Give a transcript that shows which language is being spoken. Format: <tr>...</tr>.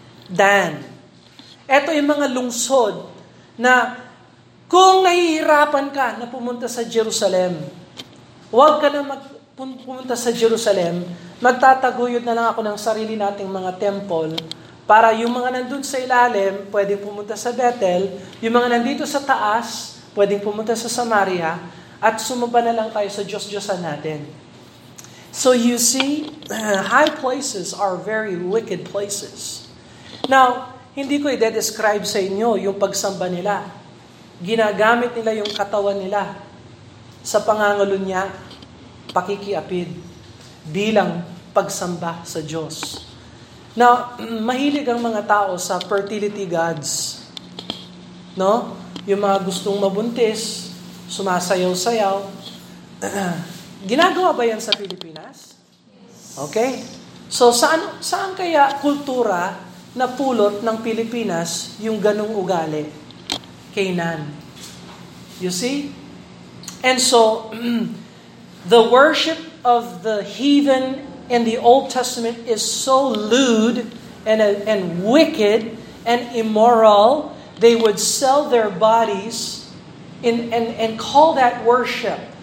<tl>Dan. Ito yung mga lungsod na kung nahihirapan ka na pumunta sa Jerusalem, huwag ka na pumunta sa Jerusalem, magtataguyod na lang ako ng sarili nating mga temple para yung mga nandun sa ilalim pwedeng pumunta sa Bethel, yung mga nandito sa taas pwedeng pumunta sa Samaria, at sumaba na lang tayo sa Diyos-Diyosan natin.</tl> <en>So you see, high places are very wicked places.</en> <tl>Now, hindi ko i-describe sa inyo yung pagsamba nila. Ginagamit nila yung katawan nila sa pangangalo niya, pakikiapid, bilang pagsamba sa Diyos. Now, mahilig ang mga tao sa fertility gods. No? Yung mga gustong mabuntis, sumasayaw-sayaw. Ginagawa ba yan sa Pilipinas? Okay. So, saan kaya kultura na pulot ng Pilipinas yung ganong ugali?</tl> <en>Canaan. You see? And so, the worship of the heathen in the Old Testament is so lewd and wicked and immoral, they would sell their bodies and call that worship.</en>